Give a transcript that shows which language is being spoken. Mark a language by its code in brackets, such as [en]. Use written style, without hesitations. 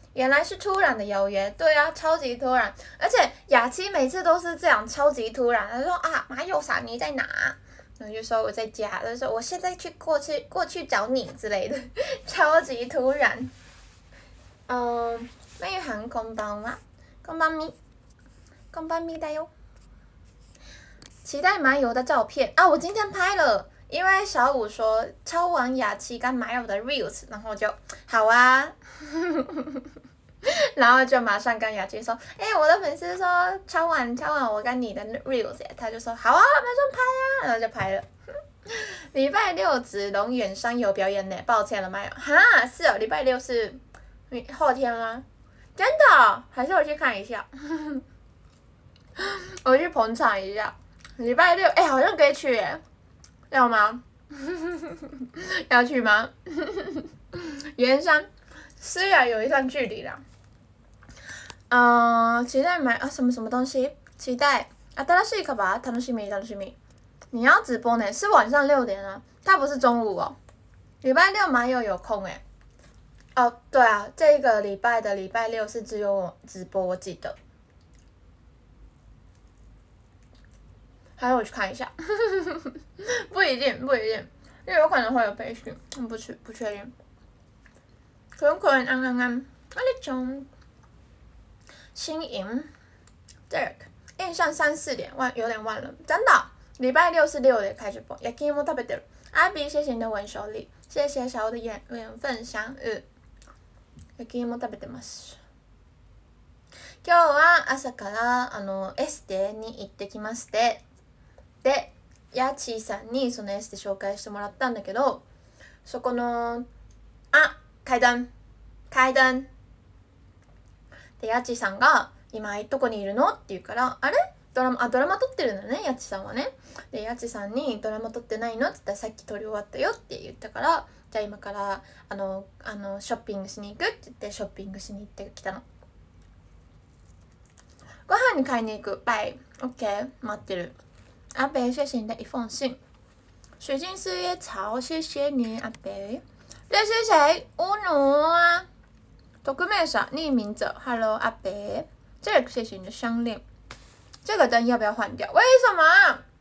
[zh] 原来是突然的邀约，对啊，超级突然。而且雅琪每次都是这样，超级突然。他说啊，马友傻，你在哪？然后就说我在家。他说我现在去过去找你之类的，超级突然。 [ja] 麦玉涵，こんばんは，こんばんみ，こんばんみだよ。 [zh] 期待马友的照片啊，我今天拍了。因为小五说抄完雅琪跟马友的 reels， 然后就好啊，然后就马上跟雅琪说，哎、欸，我的粉丝说抄完我跟你的 reels， 他就说好啊，马上拍啊，然后就拍了。礼拜六子龙远山有表演呢，抱歉了麦。哈，是哦，礼拜六是后天吗？真的、哦？还是我去看一下？我去捧场一下。礼拜六，哎、欸，好像可以去耶，要吗？要去吗？远山虽然有一段距离啦。期待买啊什么什么东西？期待啊， [ja] 新しいかば、楽しみ楽しみ。 [zh] 你要直播呢？是晚上六点啊？他不是中午哦。礼拜六马友有空哎。哦，对啊，这个礼拜的礼拜六是只有我直播，我记得。还有我去看一下，不一定不一定，因为有可能会有培训，不确定。可能可能安安安，阿里琼。新营 ，Derek， 印象三四点，有点晚了，真的。礼拜六是六点开直播， [ja] 焼き芋食べてる。 [zh] 阿比，谢谢你的吻手礼，谢谢小欧的缘分相遇。 [ja] 焼き芋食べてます。今日は朝からエステに行ってきまして、でヤチーさんにそのエステ紹介してもらったんだけど、そこの階段。でヤチさんが今どこにいるのって言うから、あれドラマ撮ってるんだね、ヤチさんはね。でヤチさんにドラマ撮ってないのって言ったら、さっき撮り終わったよって言ったから、じゃあ今からあのショッピングしに行くって言って、ショッピングしに行ってきたの。ご飯に買いに行く、バイ、オッケー、待ってる。 [zh] 阿北、谢谢你的一封信。水晶四叶草、谢谢你阿北。这是谁？乌奴啊。匿名者、匿名者 ，Hello， 阿北，这个谢谢你的项链，这个灯要不要换掉？为什么？